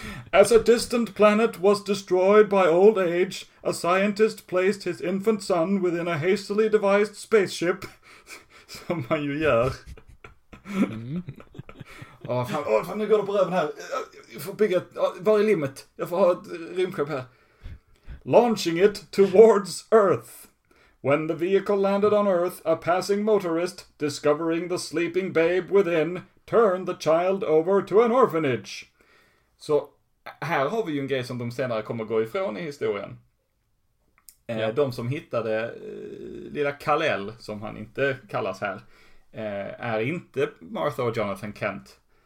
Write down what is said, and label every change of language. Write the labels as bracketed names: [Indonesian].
[English] As a distant planet was destroyed by old age, a scientist placed his infant son within a hastily devised spaceship. [Swedish] Som man ju gör. Fan, nu går det på röven här. Jag får bygga ett... Var är limmet? Jag får ha ett rymdskepp här. [English] Launching it towards Earth. When the vehicle landed on Earth, a passing motorist, discovering the sleeping babe within, turned the child over to an orphanage. [Swedish] Så här har vi ju en grej som de senare kommer gå ifrån i historien. Ja. De som hittade lilla Kal-El, som han inte kallas här, är inte Martha och Jonathan Kent.